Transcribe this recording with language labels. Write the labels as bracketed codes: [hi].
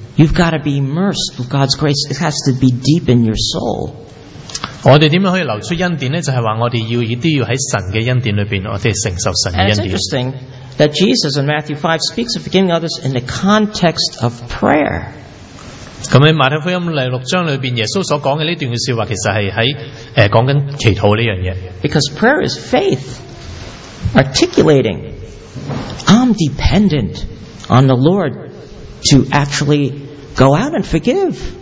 [en] You've got to be immersed with God's grace. It has to be deep in your soul. [zh] 我们怎么可以流出恩典呢？就是说我们要在神的恩典里面，我们承受神的恩典。 [en] And it's interesting that Jesus in Matthew 5 speaks of forgiving others in the context of prayer. [zh] 在马太福音第六章里面，耶稣所讲的这段说话，其实是在讲祈祷这件事。 [en] Because prayer is faith, articulating, I'm dependent on the Lord to actually go out and forgive.